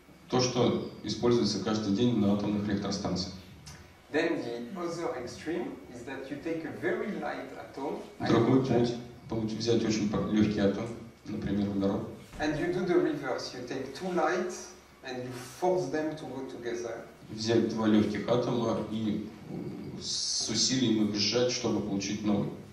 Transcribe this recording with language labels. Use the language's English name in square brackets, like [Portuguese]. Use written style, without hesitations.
[Russian] То, что используется каждый день на атомных электростанциях. [English] Then the other extreme is that you take a very light atom. [Russian] Другой путь, получить взять очень легкий атом, например, водород. [English] And you do the reverse. You take two light and you force them to go together. [Russian] Взять два легких атома и с усилием их сжать, чтобы получить новый.